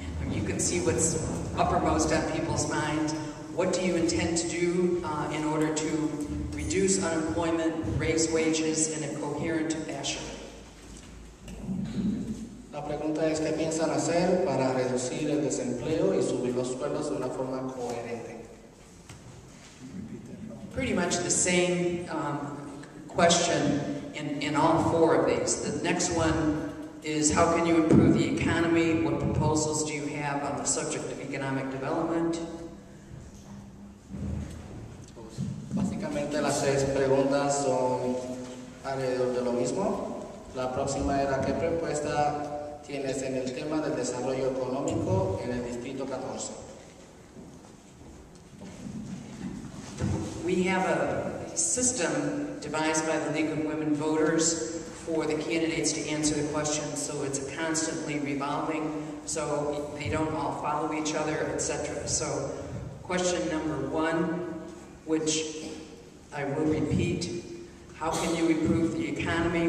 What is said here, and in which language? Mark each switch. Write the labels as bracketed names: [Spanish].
[English] You can see what's uppermost on people's minds. What do you intend to do in order to reduce unemployment, raise wages in a coherent fashion? [Spanish] La pregunta es qué piensan hacer para reducir el desempleo y subir los sueldos de una forma coherente. [English] Pretty much the same question in all four of these. The next one is how can you improve the economy? What proposals do you have on the subject of economic development? [Spanish] Básicamente las seis preguntas son alrededor de lo mismo. La próxima era qué propuesta tienes en el tema del desarrollo económico en el distrito 14. [English] We have a system devised by the League of Women Voters for the candidates to answer the questions, so it's constantly revolving, so they don't all follow each other, etc. So question number one, which I will repeat, how can you improve the economy?